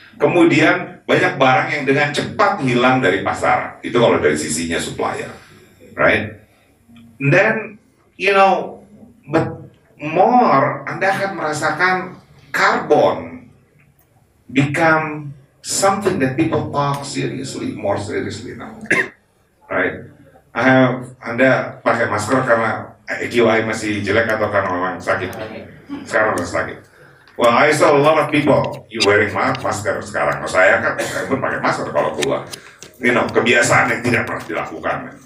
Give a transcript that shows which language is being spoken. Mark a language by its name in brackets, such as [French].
[Indonesian] Kemudian banyak barang yang dengan cepat hilang dari pasar. Itu kalau dari sisinya supplier, right? [English] And then, you know, but more [Indonesian] Anda akan merasakan karbon [English] become something that people talk seriously, more seriously now, right? [Indonesian] Anda pakai masker karena EQI masih jelek atau karena memang sakit? Sekarang masih sakit. [English] Well, I saw a lot of people wearing [Indonesian] masker sekarang. Kalau saya kan, saya pun pakai masker kalau keluar. [English] You know, [Indonesian] kebiasaan yang tidak pernah dilakukan.